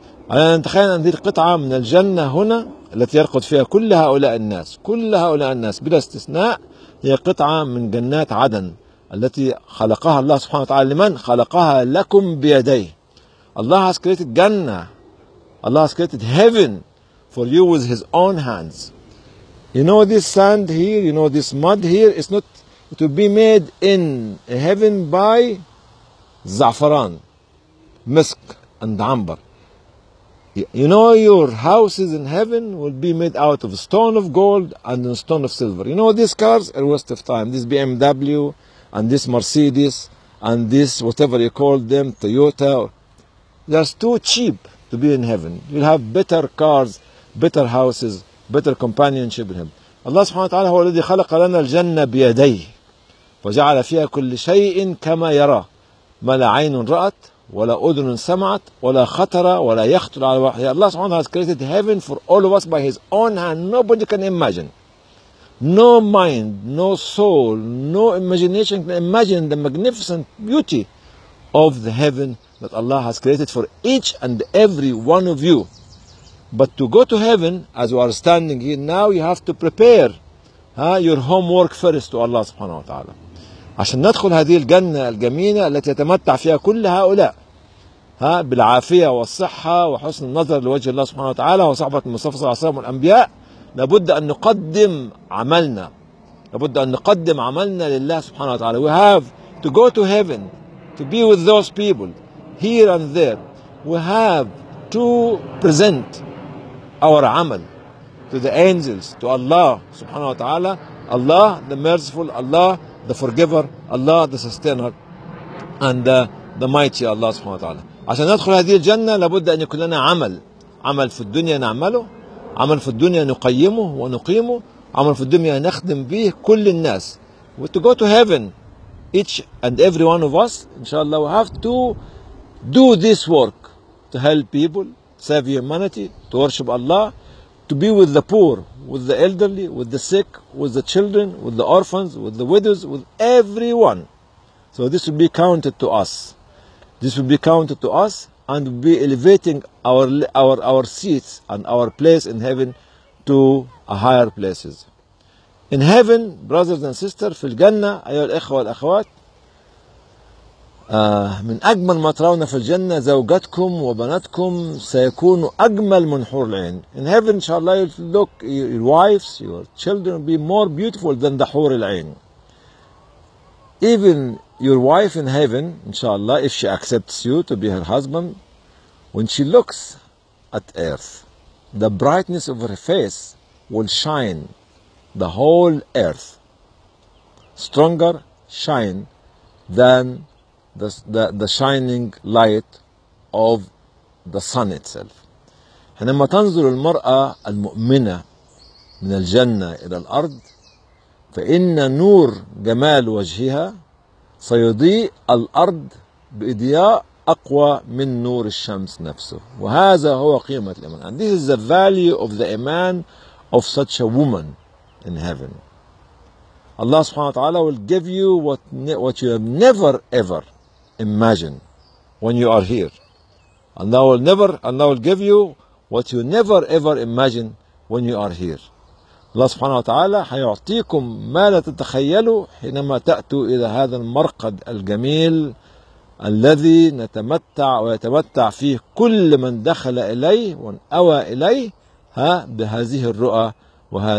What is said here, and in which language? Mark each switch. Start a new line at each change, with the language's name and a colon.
Arabic: أنا نتخيل أن هذه القطعة من الجنة هنا التي يرقد فيها كل هؤلاء الناس, كل هؤلاء الناس بلا استثناء, هي قطعة من جنات عدن التي خلقها الله سبحانه وتعالى. لمن؟ خلقها لكم بيديه.
English: الله has created جنة, الله has created heaven for you with his own hands. You know this sand here, you know this mud here, it's not to be made in heaven by زعفران, مسك and عنبر. You know, your houses in heaven will be made out of stone of gold and stone of silver. You know, these cars are a waste of time. This BMW and this Mercedes and this, whatever you call them, Toyota, that's too cheap to be in heaven. You'll have better cars, better houses, better companionship in heaven.
Arabic: Allah subhanahu wa ta'ala هو الذي خلق لنا الجنة بيديه وجعل فيها كل شيء كما يرى ما لا عين رأت ولا أذن سمعت ولا خطر ولا يخطر على وحي.
English: Allah subhanahu wa ta'ala has created heaven for all of us by his own hand. Nobody can imagine. No mind, no soul, no imagination can imagine the magnificent beauty of the heaven that Allah has created for each and every one of you. But to go to heaven, as we are standing here now, you have to prepare your homework first to Allah subhanahu wa ta'ala.
Arabic: عشان ندخل هذه الجنة الجميلة التي يتمتع فيها كل هؤلاء بالعافية والصحة وحسن النظر لوجه الله سبحانه وتعالى وصحبة المصطفى صلى الله عليه وسلم والأنبياء، لابد أن نقدم عملنا، لابد أن نقدم عملنا لله سبحانه وتعالى.
English: We have to go to heaven to be with those people here and there. We have to present our عمل to the angels, to Allah سبحانه وتعالى. Allah the merciful, Allah the forgiver, Allah the sustainer, and the mighty Allah سبحانه وتعالى.
Arabic: عشان ندخل هذه الجنة لابد أن يكون لنا عمل، عمل في الدنيا نعمله، عمل في الدنيا نقيمه ونقيمه، عمل في الدنيا نخدم به كل الناس.
English: We to go to heaven, each and every one of us, إن شاء الله, we have to do this work to help people, save humanity, to worship Allah, to be with the poor, with the elderly, with the sick, with the children, with the orphans, with the widows, with everyone. So this will be counted to us. This will be counted to us and will be elevating our seats and our place in heaven to a higher places. In heaven, brothers and sisters,
Arabic: في الجنة أيها الإخوة والأخوات من أجمل ما ترون في الجنة زوجاتكم وبناتكم سيكون أجمل منحور العين.
English: In heaven, inshallah, you'll look, your wives, your children will be more beautiful than the حور العين. Even your wife in heaven, inshallah, if she accepts you to be her husband, when she looks at earth, the brightness of her face will shine the whole earth. Stronger shine than the shining light of the sun itself.
Arabic: حينما تنظر المرأة المؤمنة من الجنة إلى الأرض فإن نور جمال وجهها سيضيء الأرض بإضياء أقوى من نور الشمس نفسه. وهذا هو قيمة الإيمان.
English: And this is the value of the iman of such a woman in heaven. Allah سبحانه وتعالى will give you what you have never ever imagine when you are here. Allah will give you what you never ever imagine when you are here.
Arabic: Allah subhanahu wa ta'ala حيعطيكم ما لا تتخيلوا حينما تأتوا إلى هذا المرقد الجميل الذي نتمتع ويتمتع فيه كل من دخل إليه وأوى إليه بهذه الرؤى وهذه